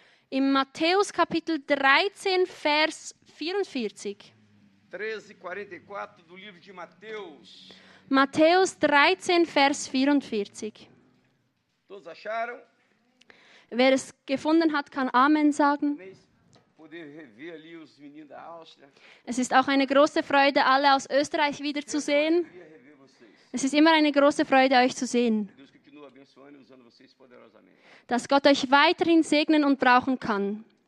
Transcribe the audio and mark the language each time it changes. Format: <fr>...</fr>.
<de>Im Matthäus Kapitel 13, Vers 44.</de> <pt>13, 44 do livro de Mateus.</pt> <de>Matthäus 13, Vers 44.</de> <pt>Todos acharam?</pt> <de>Wer es gefunden hat, kann Amen sagen.</de> <pt>Poder rever ali os meninos da Áustria.</pt> <de>Es ist auch eine große Freude, alle aus Österreich wiederzusehen. Es ist immer eine große Freude, euch zu sehen.</de> <pt>Deus continua abençoando e usando vocês poderosamente.</pt> <de>Dass Gott euch weiterhin segnen und brauchen kann.</de>